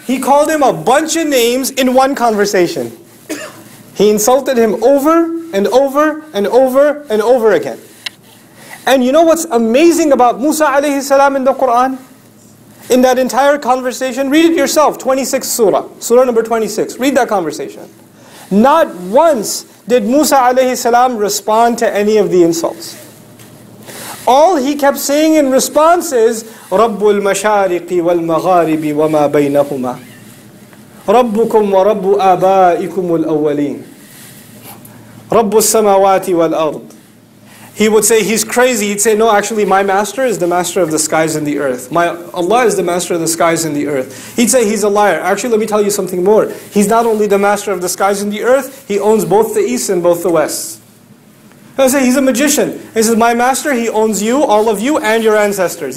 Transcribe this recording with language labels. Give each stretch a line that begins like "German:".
English: He called him a bunch of names in one conversation. He insulted him over and over and over and over again. And you know what's amazing about Musa alayhi salam in the Quran? in that entire conversation, read it yourself, 26 surah, surah number 26, read that conversation. Not once did Musa alayhi salam respond to any of the insults. All he kept saying in response is,
Arabic: رَبُّ الْمَشَارِقِ وَالْمَغَارِبِ وَمَا بَيْنَهُمَا رَبُّكُمْ وَرَبُّ آبَائِكُمُ الْأَوَّلِينَ رَبُّ السَّمَوَاتِ وَالْأَرْضِ.
English: He would say, he's crazy. He'd say, no, actually, my master is the master of the skies and the earth. My Allah is the master of the skies and the earth. He'd say, he's a liar. Actually, let me tell you something more. He's not only the master of the skies and the earth, he owns both the east and both the west. He'd say, he's a magician. He says, my master, he owns you, all of you, and your ancestors.